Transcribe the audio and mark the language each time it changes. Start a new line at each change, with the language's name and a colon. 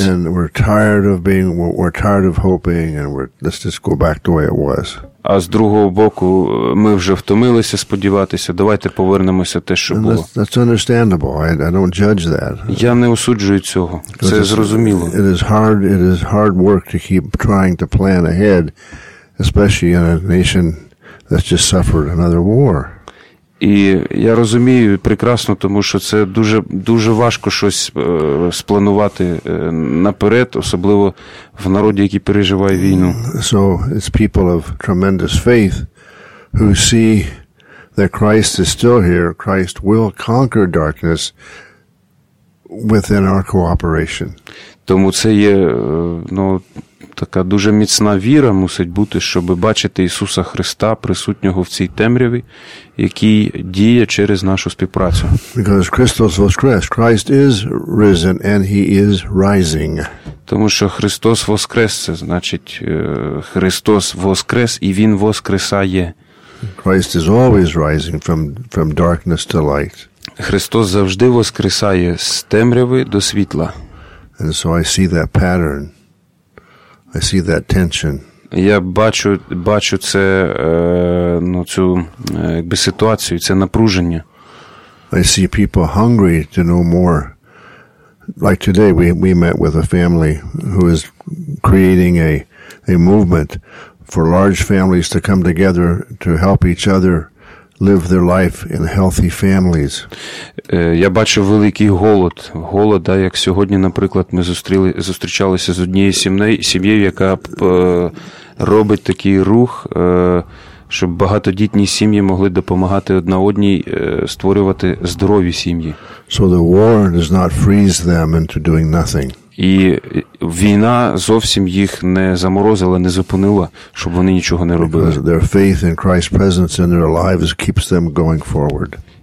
English: And we're tired of being, we're tired of hoping, and let's just go back to the way it was.
Ukrainian: А з другого боку, ми вже втомилися сподіватися, давайте повернемося те, що було.
English: That's understandable. I don't judge that.
Ukrainian: Я не осуджую цього. Це зрозуміло.
English: It is hard work to keep trying to plan ahead, especially in a nation that's just suffered another war.
Ukrainian: І я розумію прекрасно, тому що це дуже, дуже важко щось спланувати наперед, особливо в народі, який переживає війну.
English: So it's people of tremendous faith who see that Christ is still here, Christ will conquer darkness within our cooperation.
Ukrainian: Тому це є, ну, така дуже міцна віра мусить бути, щоб бачити Ісуса Христа, присутнього в цій темряві, який діє через нашу співпрацю.
English: Because Christos воскрес. Christ is risen and he is rising.
Ukrainian: Тому що Христос воскрес, це значить Христос воскрес і він воскресає.
English: Christ is always rising from darkness to light.
Ukrainian: Христос завжди воскресає з темряви до світла.
English: And so I see that pattern. I see that tension.
Ukrainian: Я бачу це, ну, цю якби ситуацію, це напруження.
English: I see people hungry to know more. Like today we met with a family who is creating a movement for large families to come together to help each other live their life in healthy families.
Ukrainian: Я бачу великий голод. Голод, да, як сьогодні, наприклад, ми зустрічалися з однією сім'єю, яка робить такий рух, щоб багатодітні сім'ї могли допомагати одна одній створювати здорові сім'ї.
English: So the war does not freeze them into doing nothing.
Ukrainian: І війна зовсім їх не заморозила, не зупинила, щоб вони нічого не робили.
English: Because their faith in Christ's presence in their lives keeps them going forward.